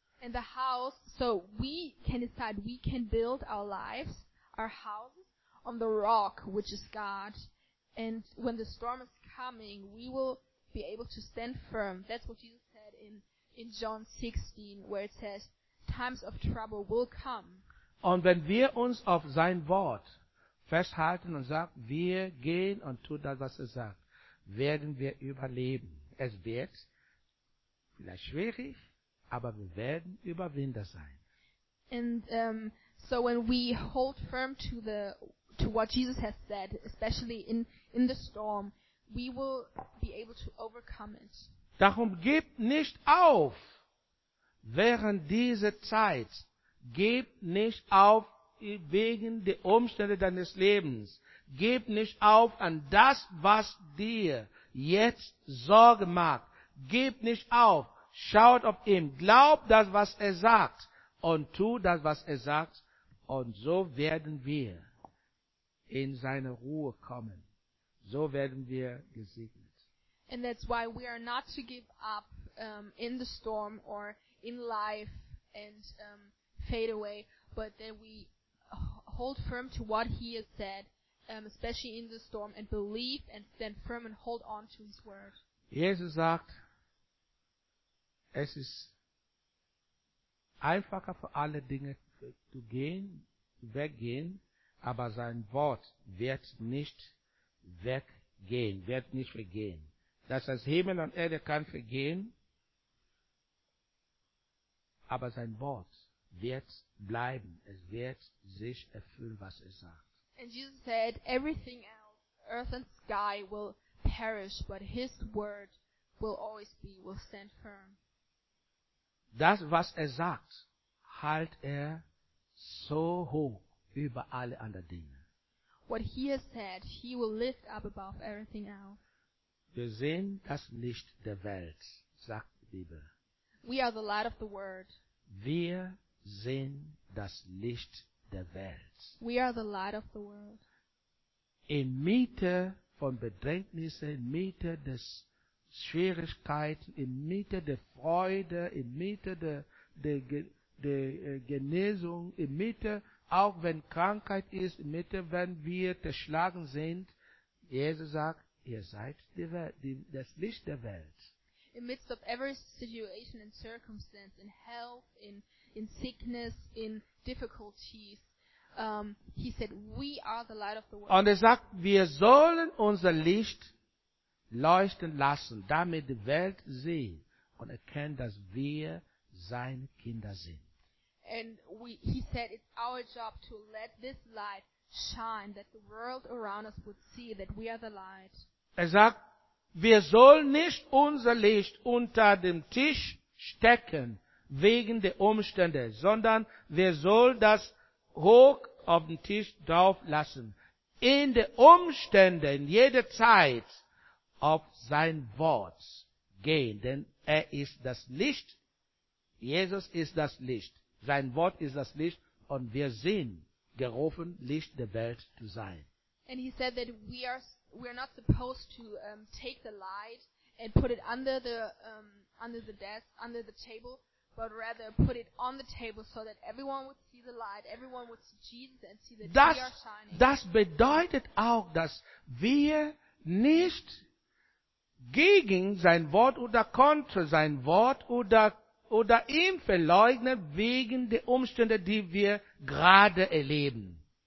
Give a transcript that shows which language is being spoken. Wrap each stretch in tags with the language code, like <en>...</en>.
<en>And the house, so we can decide, we can build our lives, our houses, on the rock, which is God. And when the storm is coming, we will be able to stand firm. That's what Jesus said in John 16, where it says, times of trouble will come.</en> <de>Und wenn wir uns auf sein Wort festhalten und sagen, wir gehen und tun das, was er sagt, werden wir überleben. Es wird vielleicht schwierig, aber wir werden Überwinder sein.</de> <en>And so when we hold firm to the to what Jesus has said, especially in the storm, we will be able to overcome it.</en> <de>Darum gib nicht auf, während dieser Zeit. Gib nicht auf wegen der Umstände deines Lebens. Gib nicht auf an das, was dir jetzt Sorge macht. Gib nicht auf. Schaut auf ihn. Glaub das, was er sagt. Und tu das, was er sagt. Und so werden wir in seine Ruhe kommen. So werden wir gesegnet.</de> <en>And that's why we are not to give up in the storm or in life and fade away, but then we hold firm to what He has said, especially in the storm, and believe and stand firm and hold on to His word.</en> <de>Jesus sagt, es ist einfacher für alle Dinge zu gehen, weggehen, aber sein Wort wird nicht weggehen, wird nicht vergehen. Dass das Himmel und Erde kann vergehen, aber sein Wort wird bleiben. Es wird sich erfüllen, was er sagt.</de> <en>And Jesus said, everything else, earth and sky will perish, but His word will always be, will stand firm.</en> <de>Das, was er sagt, hält er so hoch über alle anderen Dinge.</de> <en>What He has said, He will lift up above everything else.</en> <de>Wir sehen das Licht der Welt, sagt die Bibel.</de> <en>We are the light of the word.</en> <de>Wir sehen das Licht der Welt.</de> <en>We are the light of the world.</en> <de>inmitten van bedrängnissen, inmitten des Schwierigkeiten, inmitten der Freude, inmitten der Genesung, inmitten auch wenn Krankheit ist, inmitten wenn wir zerschlagen sind, Jesus sagt, ihr seid das Licht der Welt.</de> <en>In midst of every situation and circumstance, in health, in sickness, in difficulties, he said, we are the light of the world.</en> <de>Und sagt, wir sollen unser Licht leuchten lassen, damit die Welt sehen und erkennen, dass wir seine Kinder sind.</de> <en>And he said, it's our job to let this light shine, that the world around us would see that we are the light.</en> <de>Sagt, wir sollen nicht unser Licht unter dem Tisch stecken, wegen der Umstände, sondern wir sollen das hoch auf den Tisch drauf lassen. In den Umständen, in jeder Zeit, auf sein Wort gehen, denn er ist das Licht. Jesus ist das Licht. Sein Wort ist das Licht und wir sind gerufen, Licht der Welt zu sein.</de> <en>And he said that we are not supposed to take the light and put it under the desk, under the table, but rather put it on the table so that everyone would see the light, everyone would see Jesus and see that we are shining.</en> <de>Das bedeutet auch, dass wir nicht gegen sein Wort oder contra sein Wort oder ihm verleugnen wegen der Umstände, die wir gerade erleben.</de>